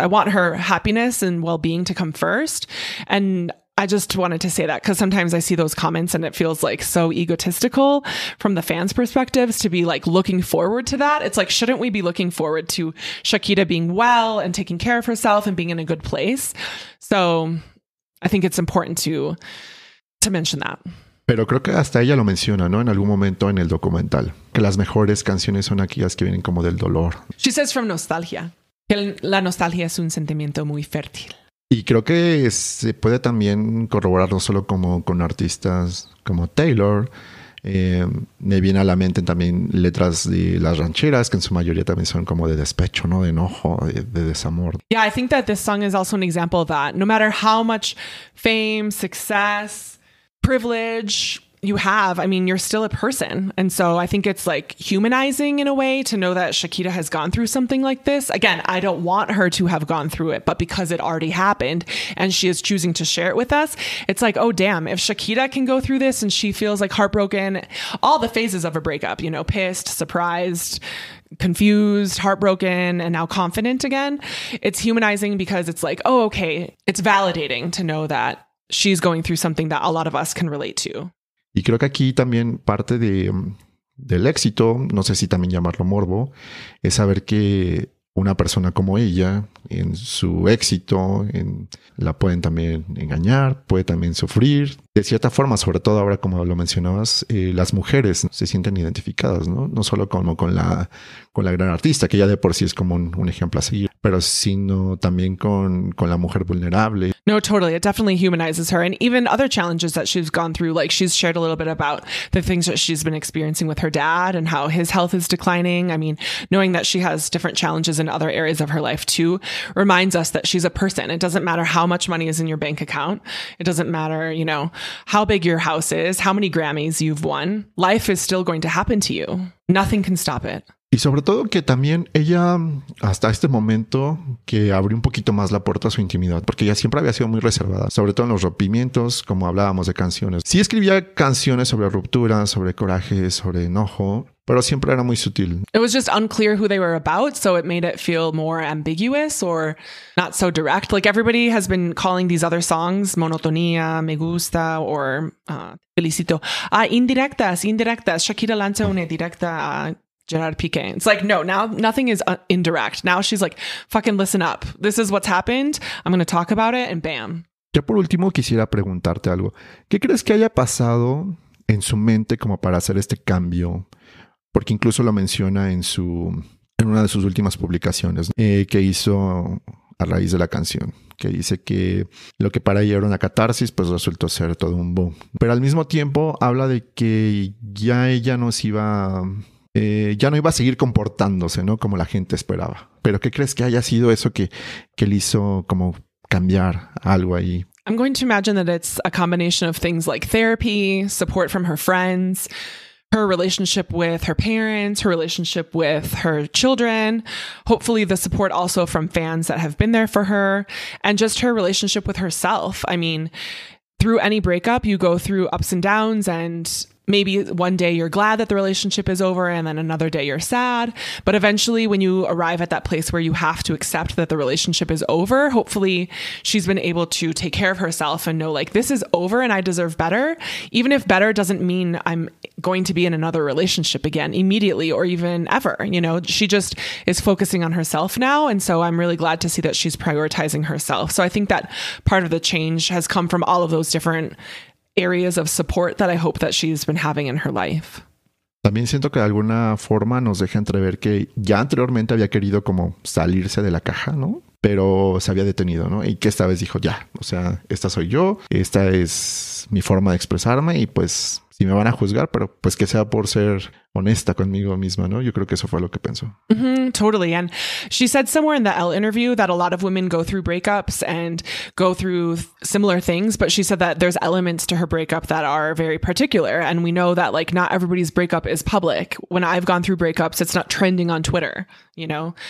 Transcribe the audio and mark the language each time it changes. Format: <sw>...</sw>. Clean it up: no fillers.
<en>I want her happiness and well-being to come first. And I just wanted to say that because sometimes I see those comments and it feels like so egotistical from the fans' perspectives to be like looking forward to that. It's like, shouldn't we be looking forward to Shakira being well and taking care of herself and being in a good place? So I think it's important to mention that.</en> <es>Pero creo que hasta ella lo menciona, ¿no? En algún momento en el documental, que las mejores canciones son aquellas que vienen como del dolor.</es> <en>She says from nostalgia,</en> <es>que la nostalgia es un sentimiento muy fértil. Y creo que se puede también corroborar no solo como con artistas como Taylor. Me viene a la mente también letras de las rancheras, que en su mayoría también son como de despecho, ¿no? De enojo, de desamor.</es> <en>Yeah, I think that this song is also an example of that. No matter how much fame, success, privilege you have, I mean, you're still a person. And so I think it's like humanizing in a way to know that Shakira has gone through something like this. Again, I don't want her to have gone through it, but because it already happened and she is choosing to share it with us, it's like, oh damn, if Shakira can go through this and she feels like heartbroken, all the phases of a breakup, you know, pissed, surprised, confused, heartbroken, and now confident again. It's humanizing because it's like, oh, okay. It's validating to know that she's going through something that a lot of us can relate to.</en> <es>Y creo que aquí también parte de del éxito, no sé si también llamarlo morbo, es saber que una persona como ella, en su éxito, en, la pueden también engañar, puede también sufrir. De cierta forma, sobre todo ahora como lo mencionabas, las mujeres se sienten identificadas, ¿no? No solo como con la gran artista, que ya de por sí es como un ejemplo a seguir, pero sino también con la mujer vulnerable.</es> <en>No, totally. It definitely humanizes her. And even other challenges that she's gone through, like she's shared a little bit about the things that she's been experiencing with her dad and how his health is declining. I mean, knowing that she has different challenges in other areas of her life too, reminds us that she's a person. It doesn't matter how much money is in your bank account. It doesn't matter, you know, how big your house is, how many Grammys you've won. Life is still going to happen to you. Nothing can stop it.</en> <es>Y sobre todo que también ella, hasta este momento, que abrió un poquito más la puerta a su intimidad, porque ella siempre había sido muy reservada, sobre todo en los rompimientos, como hablábamos de canciones. Sí escribía canciones sobre ruptura, sobre coraje, sobre enojo, pero siempre era muy sutil.</es> <en>It was just unclear who they were about, so it made it feel more ambiguous or not so direct. Like everybody has been calling these other songs Monotonía, Me Gusta, or Felicito. Indirectas.</en> <es>Shakira lanza una directa a Gerard Piqué.</es> <en>It's like, no, now nothing is indirect. Now she's like, fucking listen up. This is what's happened. I'm going to talk about it and bam.</en> <es>Ya por último quisiera preguntarte algo. ¿Qué crees que haya pasado en su mente como para hacer este cambio? Porque incluso lo menciona en una de sus últimas publicaciones que hizo a raíz de la canción, que dice que lo que para ella era una catarsis, pues resultó ser todo un boom. Pero al mismo tiempo habla de que ya ella nos iba, ya no iba a seguir comportándose, ¿no? Como la gente esperaba. ¿Pero qué crees que haya sido eso que le hizo como cambiar algo ahí?</es> <en>I'm going to imagine that it's a combination of things like therapy, support from her friends, her relationship with her parents, her relationship with her children, hopefully the support also from fans that have been there for her, and just her relationship with herself. I mean, through any breakup, you go through ups and downs, and maybe one day you're glad that the relationship is over, and then another day you're sad. But eventually, when you arrive at that place where you have to accept that the relationship is over, hopefully she's been able to take care of herself and know, like, this is over and I deserve better. Even if better doesn't mean I'm going to be in another relationship again immediately or even ever, you know, she just is focusing on herself now. And so I'm really glad to see that she's prioritizing herself. So I think that part of the change has come from all of those different areas of support that I hope that she's been having in her life.</en> <es>También siento que de alguna forma nos deja entrever que ya anteriormente había querido como salirse de la caja, ¿no? Pero se había detenido, ¿no? Y que esta vez dijo, ya, o sea, esta soy yo, esta es mi forma de expresarme y pues si me van a juzgar, pero pues que sea por ser honesta conmigo misma, ¿no? Yo creo que eso fue lo que pensó.</es> <en>Mm-hmm, totally. And she said somewhere in the Elle interview that a lot of women go through breakups and go through similar things, but she said that there's elements to her breakup that are very particular. And we know that, like, not everybody's breakup is public. When I've gone through breakups, it's not trending on Twitter, you know?</en>